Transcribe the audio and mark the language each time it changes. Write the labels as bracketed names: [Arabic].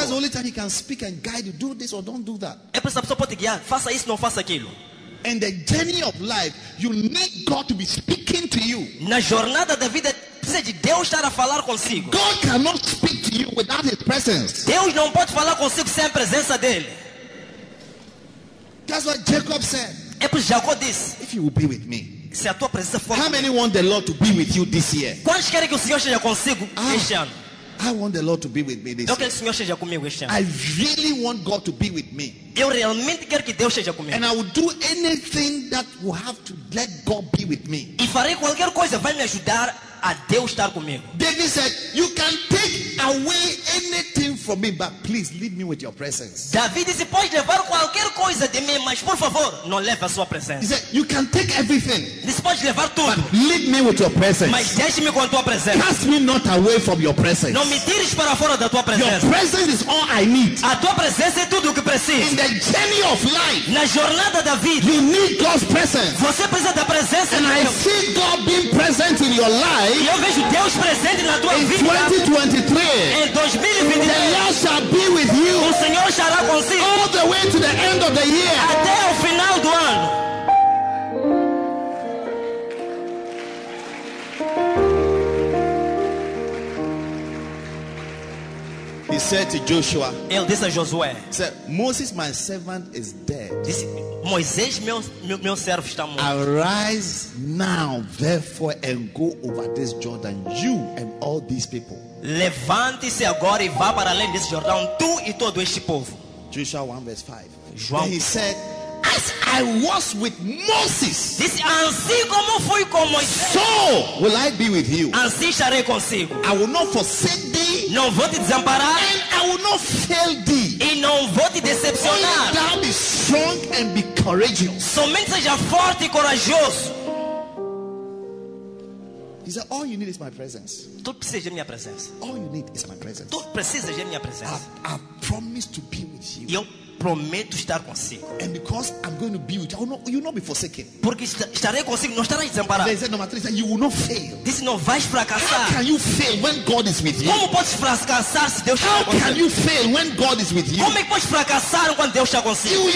[English] That's the only time he can speak and guide you. Do this or don't do that. [Portuguese] É para essa pessoa poder guiar. Faça isso, não faça aquilo. [English] In the journey of life, you need God to be speaking to you. [Portuguese] Na jornada da vida, precisa de Deus estar a falar consigo. [English] God cannot speak to you without His presence. [Portuguese] Deus não pode falar consigo sem a presença dele. [English] That's what Jacob said. [Portuguese] É por Jacó disse. [English] If you will be with me. [Portuguese] Se a tua presença for. [English] How many want the Lord to be with you this year? [Portuguese] Quantos querem que o Senhor esteja consigo este ano? [English] I want the Lord to be with me this [Portuguese] year. Senhor esteja comigo este ano. [English] I really want God to be with me. [Portuguese] Eu realmente quero que Deus esteja comigo. [English] And I will do anything that will have to let God be with me. [Portuguese] E farei qualquer coisa vai me ajudar a Deus estar comigo. [English] David said, "You can take away anything from me, but please leave me with your presence." [Portuguese] David disse, pode levar qualquer coisa de mim, mas por favor, não leve a sua presença. [English] He said, "You can take everything." [Portuguese] Disse, pode levar tudo. [English] But leave me with your presence. [Portuguese] Mas deixe-me com a tua presença. [English] Cast me not away from your presence. [Portuguese] Não me tires para fora da tua presença. [English] Your presence is all I need. [Portuguese] A tua presença é tudo o que preciso. [English] In the journey of life, [Portuguese] na jornada da vida, [English] you need God's presence. [Portuguese] Você precisa da presença. [English] And I see God being present in your life. [Portuguese] E eu vejo Deus presente na tua vida. [English] In 2023, [Portuguese] em 2023, [English] the Lord shall be with you. [Portuguese] O Senhor estará consigo. [English] All the way to the end of the year. [Portuguese] Até o final do ano. [English] He said to Joshua. [Portuguese] Ele disse a Josué. [English] He said, "Moses, my servant, is dead." [Portuguese] Disse, Moisés, meu servo está morto. [English] Arise now, therefore, and go over this Jordan, you and all these people. [Portuguese] Levante-se agora e vá para além desse Jordão, tu e todo este povo. [English] Joshua 1 verse 5. [Portuguese] João. [English] Then he said, "As I was with Moses." [Portuguese] Disse, assim como fui com Moisés. [English] So will I be with you. [Portuguese] Assim estarei consigo. [English] I will not forsake thee. [Portuguese] Não vou te desamparar. [English] And I will not fail thee. [Portuguese] E não vou te decepcionar. [English] Only thou be strong and be courageous. [Portuguese] Somente seja forte e corajoso. [English] He said, "All you need is my presence." [Portuguese] Tudo precisa de minha presença. [English] All you need is my presence. [Portuguese] Tudo precisa de minha presença. [English] I promise to be with you. [Portuguese] Eu prometo estar consigo. [English] And because I'm going to be with you, you will not be forsaken. [Portuguese] Porque estarei consigo, não estarás desamparado. [English] Then he said, number three, he said, "You will not fail." [Portuguese] Disse, não vais fracassar. [English] How can you fail when God is with you? [Portuguese] Como podes fracassar se Deus está consigo? [English] How can you fail when God is with you? [Portuguese] Como é que podes fracassar quando Deus está consigo?